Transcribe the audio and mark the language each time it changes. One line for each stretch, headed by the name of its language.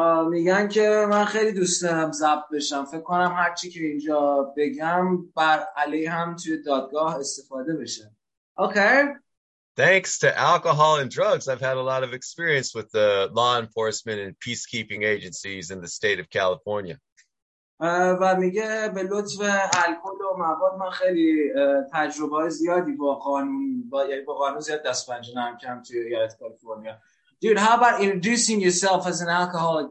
Persian: میگن که من خیلی دوست دارم ضبط بشم. فکر کنم هر چی که اینجا بگم بر علیه هم توی دادگاه استفاده بشه.
English: Okay. Thanks to alcohol and drugs, I've had a lot of experience with the law enforcement and peacekeeping agencies in the state of California.
Persian: و میگه به لطف الکل و مواد من خیلی تجربه های زیادی با قانون زیاد دست پنجه نرم کردم توی ایالت کالیفرنیا.
English: Dude, how about introducing yourself as an alcoholic?